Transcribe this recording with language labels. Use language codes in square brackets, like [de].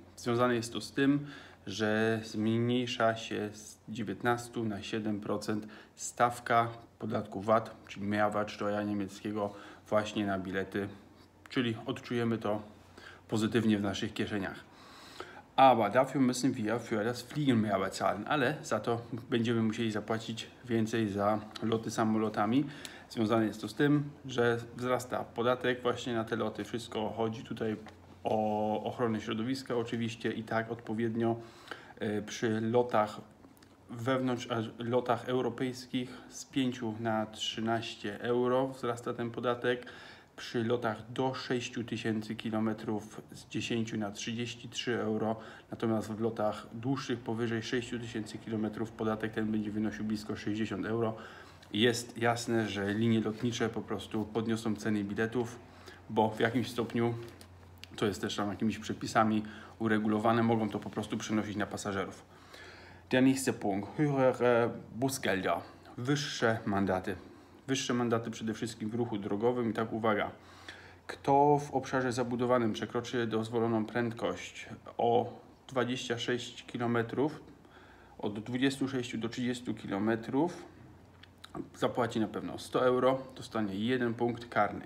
[pl] Związane jest to z tym, że zmniejsza się z 19 na 7% stawka podatku VAT, czyli Mehrwertsteuer niemieckiego, właśnie na bilety. Czyli odczujemy to pozytywnie w naszych kieszeniach. [de] Aber dafür müssen wir für das Fliegen mehr bezahlen. [pl] Ale za to będziemy musieli zapłacić więcej za loty samolotami. Związane jest to z tym, że wzrasta podatek właśnie na te loty. Wszystko chodzi tutaj o ochronę środowiska oczywiście i tak odpowiednio przy lotach wewnątrz, lotach europejskich z 5 na 13 euro wzrasta ten podatek. Przy lotach do 6000 km z 10 na 33 euro, natomiast w lotach dłuższych powyżej 6000 km podatek ten będzie wynosił blisko 60 euro. Jest jasne, że linie lotnicze po prostu podniosą ceny biletów, bo w jakimś stopniu, to jest też tam jakimiś przepisami uregulowane, mogą to po prostu przenosić na pasażerów. [de] Der nächste Punkt, höhere Bußgelder, [pl] wyższe Mandate. Wyższe Mandate przede wszystkim w ruchu drogowym. I tak, uwaga, kto w obszarze zabudowanym przekroczy dozwoloną prędkość o 26 km, od 26 do 30 km, zapłaci na pewno 100 euro, dostanie jeden punkt karny.